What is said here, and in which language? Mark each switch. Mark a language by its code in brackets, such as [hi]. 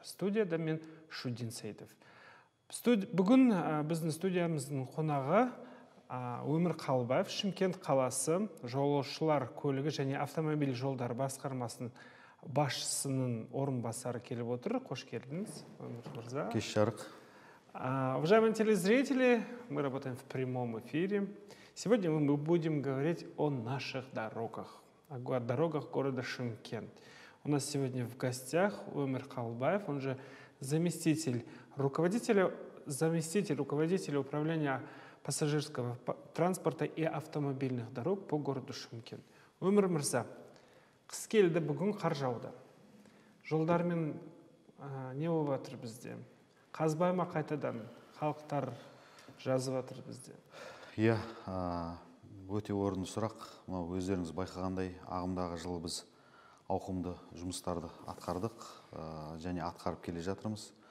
[kk] Студияда мен Шудин Сейдов. Бүгін біздің студиямыздың қонағы Өмір Қалыбаев, Шымкент қаласы жолаушылар көлігі және автомобиль жолдары басқармасының басшысының орынбасары келіп отыр. Қош келдіңіз, Өмір мырза. Кеш жарық. [ru] Уважаемые телезрители, мы работаем в прямом эфире. Сегодня мы будем говорить о наших дорогах, о дорогах города Шымкент. У нас сегодня в гостях Өмір Қалыбаев, он же заместитель руководителя управления пассажирского транспорта и автомобильных дорог по городу Шымкент. [kk] Өмір мырза, қыс келді бүгін қар жауды. Жолдармен не болып жатыр бізде? Қазбай ма қайтадан? Халықтар жазып жатыр бізде. Иә, өте орынды сұрақ. Мынау өздеріңіз байқағандай, ағымдағы жылы біз ауқымды жұмыстарды атқардық, және атқарып келе жатырмыз.